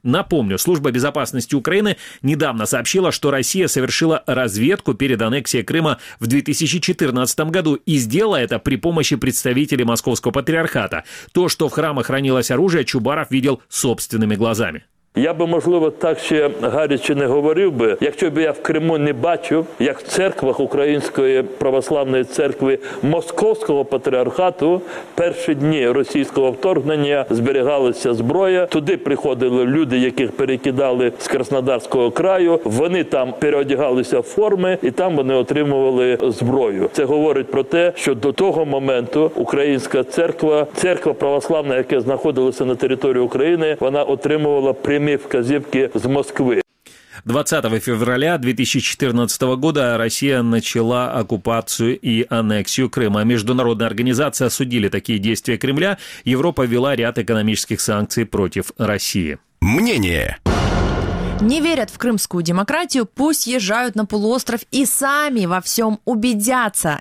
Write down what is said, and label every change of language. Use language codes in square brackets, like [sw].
[ru] Напомню, служба безопасности Украины недавно сообщила, что Россия совершила разведку перед аннексией Крыма в 2014 году и сделала это при помощи представителей Московского патриархата. То, что в храмах хранилось оружие, Чубаров видел собственными глазами. [uk] Я би, можливо, так ще гаряче не говорив би, якщо б я в Криму не бачив, як в церквах Української Православної Церкви Московського Патріархату перші дні російського вторгнення зберігалася зброя, туди приходили люди, яких перекидали з Краснодарського краю, вони там переодягалися в форми і там вони отримували зброю. Це говорить про те, що до того моменту Українська Церква, Церква Православна, яка знаходилася на території України, вона отримувала прямі вказівки з Москви. [ru] 20 февраля 2014 года Россия начала оккупацию и аннексию Крыма. Международные организации осудили такие действия Кремля. Европа ввела ряд экономических санкций против России. Мнение. Не верят в крымскую демократию, пусть езжают на полуостров и сами во всем убедятся.